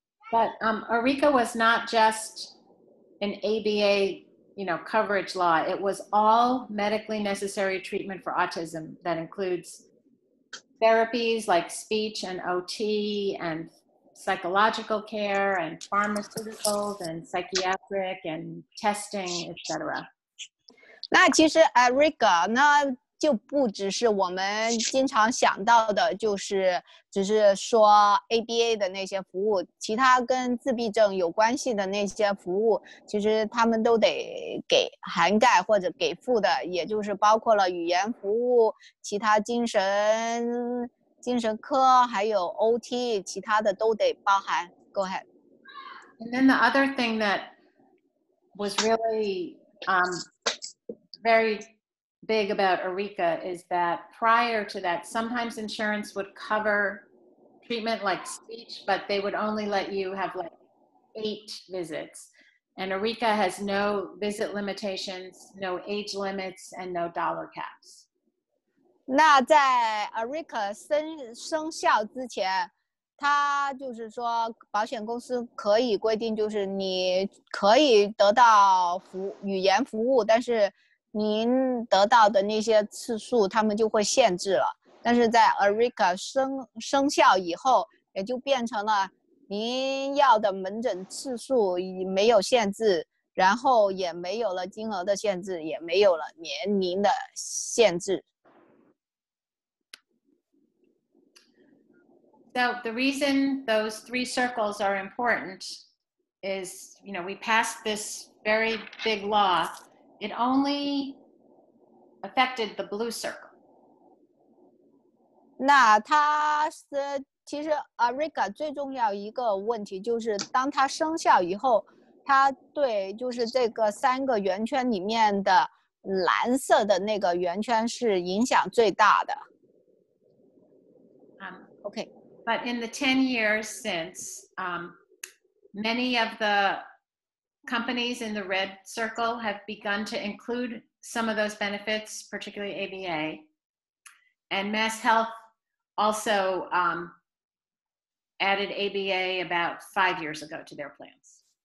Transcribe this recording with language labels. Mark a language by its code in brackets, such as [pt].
[en] But Arika was not just an ABA, you know, coverage law. It was all medically necessary treatment for autism that includes therapies like speech and OT and psychological care and pharmaceuticals and psychiatric and testing, etc. [zh] 那其实 Erica 那就不只是我们经常想到的，就是只是说 ABA 的那些服务，其他跟自闭症有关系的那些服务，其实他们都得给涵盖或者给付的，也就是包括了语言服务，其他精神科还有 OT， 其他的都得包含。 [en] Go ahead. And then the other thing that was really very big about Erica is that prior to that, sometimes insurance would cover treatment like speech, but they would only let you have like 8 visits. And Erica has no visit limitations, no age limits, and no dollar caps. [zh] 那在 Erica 生效之前，他就是说保险公司可以规定，就是你可以得到语言服务，但是您得到的那些次数他们就会限制了。但是在 Erica 生效以后，也就变成了您要的门诊次数没有限制，然后也没有了金额的限制，也没有了年龄的限制。 [en] So the reason those three circles are important is, you know, we passed this very big law. It only affected the blue circle. [zh] 那他是其实 Erica 最重要一个问题就是，当他生效以后，他对就是这个三个圆圈里面的蓝色的那个圆圈是影响最大的。 [en] Okay. But in the 10 years since, many of the companies in the red circle have begun to include some of those benefits, particularly ABA. And MassHealth also added ABA about 5 years ago to their plans.